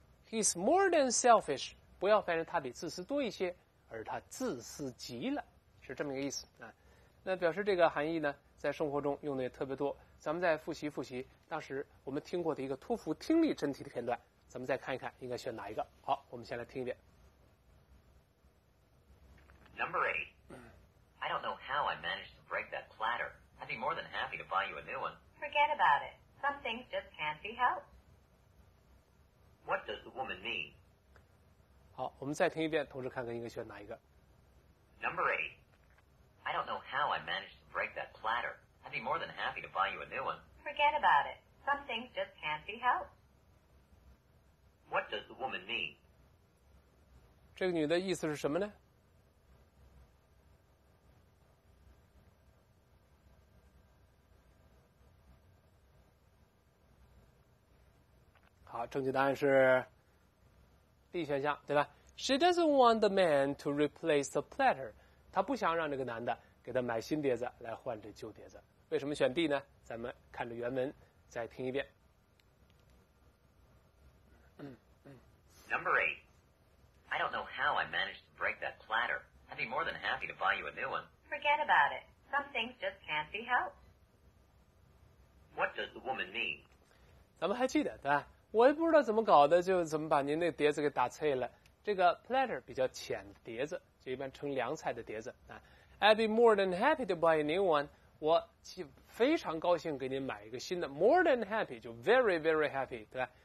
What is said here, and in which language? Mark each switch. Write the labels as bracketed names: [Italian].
[English] He's more than selfish， [Chinese] 不要翻译成他比自私多一些，而他自私极了，是这么一个意思啊。那表示这个含义呢在生活中用的也特别多。咱们再复习复习当时我们听过的一个托福听力真题的片段，咱们再看一看应该选哪一个。好，我们先来听一遍。 [English] Number 8，I don't know how I managed to break that platter. I'd be more than happy to buy you a new one. Forget about it. Some things just can't be helped. What does the woman mean? [Chinese] 好，我们再听一遍，同时看看应该选哪一个。 [English] Number 8. I don't know how I managed to break that platter. I'd be more than happy to buy you a new one. Forget about it. Some things just can't be helped. What does the woman mean? [Chinese] 这个女的意思是什么呢？好，正确答案是 D 选项，对吧？ [English] She doesn't want the man to replace the platter. [Chinese] 她不想让这个男的给她买新碟子来换这旧碟子。为什么选 D 呢？咱们看着原文再听一遍。 [English] Number 8. I don't know how I managed to break that platter. I'd be more than happy to buy you a new one. Forget about it. Some things just can't be helped. What does the woman mean? [Chinese] 咱们还记得，对吧？我也不知道怎么搞的，就怎么把您那碟子给打碎了。这个 platter 比较浅的碟子，就一般盛凉菜的碟子啊。 [English] I'd be more than happy to buy a new one. [Chinese] 我非常高兴给您买一个新的。 [English] More than happy 就 very very happy， [Chinese] 对吧？